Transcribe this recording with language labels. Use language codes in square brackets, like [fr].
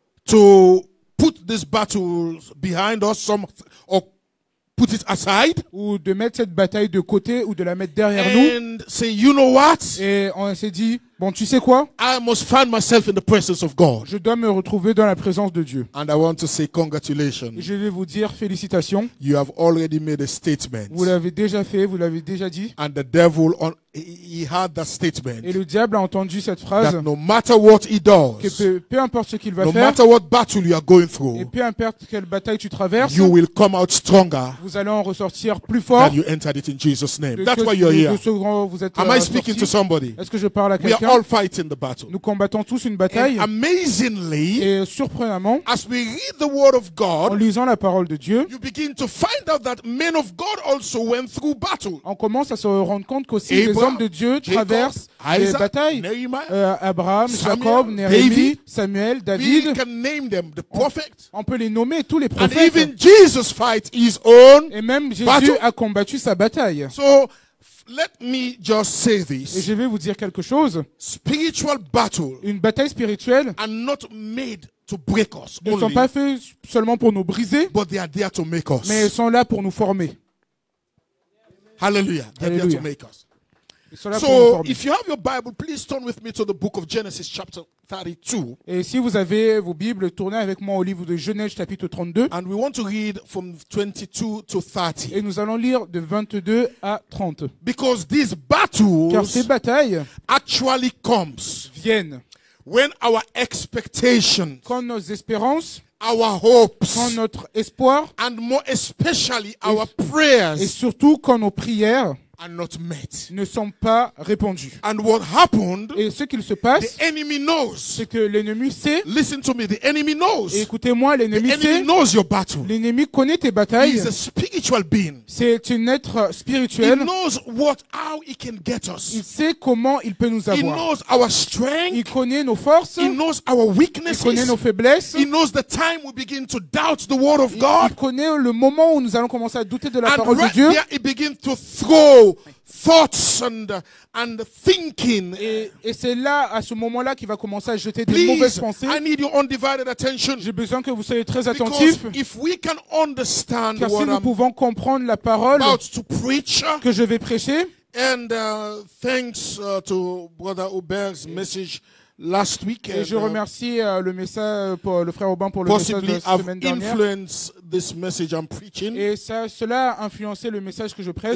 [en] to put this battle behind us, or put it aside. [fr] Ou de mettre cette bataille de côté, ou de la mettre derrière nous. [en] And say, you know what? [fr] Et on s'est dit, bon, tu sais quoi? [en] I must find myself in the presence of God. [fr] Je dois me retrouver dans la présence de Dieu. [en] And I want to say congratulations. [fr] Je vais vous dire félicitations. [en] You have already made a statement. [fr] Vous l'avez déjà fait, vous l'avez déjà dit. [en] And the devil on. He had that statement. [fr] Et le diable a entendu cette phrase. [en] That no matter what he does, [fr] que peu importe ce qu'il va [en] no [fr] faire, [en] matter what battle you are going through, [fr] et peu importe quelle bataille tu traverses, [en] you will come out stronger. [fr] Vous allez en ressortir plus fort. [en] That you entered it in Jesus' name. That's why you're here. [fr] Vous êtes [en] am I speaking [fr] sorti. [en] To somebody? [fr] Est-ce que je parle à quelqu'un? [en] We are all fighting the battle. [fr] Nous combattons tous une bataille. [en] And amazingly, [fr] et surprenamment, [en] as we read the word of God, [fr] en lisant la parole de Dieu, [en] you begin to find out that men of God also went through battle. [fr] On commence à se rendre compte qu'aussi les hommes de Dieu traversent [en] Jacob, [fr] les batailles. [en] Nehemiah, Abraham, Samuel, [fr] Jacob, Néhémie, Samuel, David. [en] We can name them, the prophet. [fr] On peut les nommer tous les prophètes. [en] And even Jesus fight his own [fr] et même Jésus [en] battle. [fr] A combattu sa bataille. [en] So, let me just say this. [fr] Et je vais vous dire quelque chose. [en] Spiritual battle. [fr] Une bataille spirituelle. [en] And not made to break us [fr] ne sont pas faits seulement pour nous briser. [en] But they are there to make us. [fr] Mais ils sont là pour nous former. [en] Hallelujah. They're Hallelujah. There to make us. So, if you have your Bible, please turn with me to the book of Genesis, chapter 32. [fr] Et si vous avez vos Bibles, tournez avec moi au livre de Genèse, chapitre 32. [en] And we want to read from 22 to 30. [fr] Et nous allons lire de 22 à 30. [en] Because these battles, [fr] car ces batailles, [en] actually comes [fr] viennent [en] when our expectations, [fr] quand nos espérances, [en] our hopes, [fr] quand notre espoir, [en] and more especially our prayers, [fr] et surtout quand nos prières [en] are not met, [fr] ne sont pas répondues. [en] And what happened, [fr] et ce qu'il se passe, [en] the enemy knows, [fr] c'est que l'ennemi sait. [en] Listen to me, the enemy knows, [fr] écoutez-moi, l'ennemi [en] the enemy [fr] sait. [en] Knows your battle. [fr] L'ennemi connaît tes batailles. [en] He is a spiritual being. [fr] C'est un être spirituel. [en] He knows what, how he can get us. [fr] Il sait comment il peut nous avoir. [en] He knows our strength. [fr] Il connaît nos forces. [en] He knows our weaknesses. [fr] Il connaît nos faiblesses. [en] He knows the time we begin to doubt the word of God. [fr] Il connaît le moment où nous allons commencer à douter de la parole de Dieu. [en] And he begins to throw thoughts and thinking. [fr] Et c'est là, à ce moment-là, qu'il va commencer à jeter des mauvaises pensées. [en] I need your undivided attention. [fr] J'ai besoin que vous soyez très attentifs. [en] Because if we can understand, [fr] car si [en] what [fr] nous [en] I'm [fr] pouvons comprendre la parole [en] about to preach, [fr] que je vais prêcher, [en] and thanks to Brother Hubert's message last week. [fr] Et je remercie le message pour le frère Aubin pour le message de la semaine dernière. [en] Influence this message I'm preaching. [fr] Et ça, cela a influencé le message que je prêche.